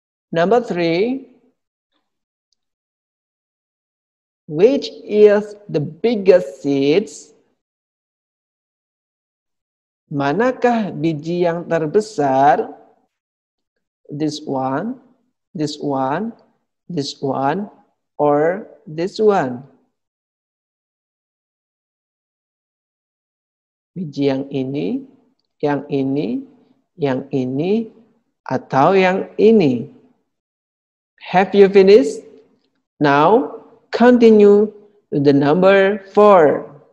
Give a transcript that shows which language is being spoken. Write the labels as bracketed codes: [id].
[en] Number 3, which is the biggest seeds? [id] Manakah biji yang terbesar? [en] This one, this one, this one, or this one? [id] Biji yang ini, yang ini, atau yang ini? [en] Have you finished? Now continue to the number 4.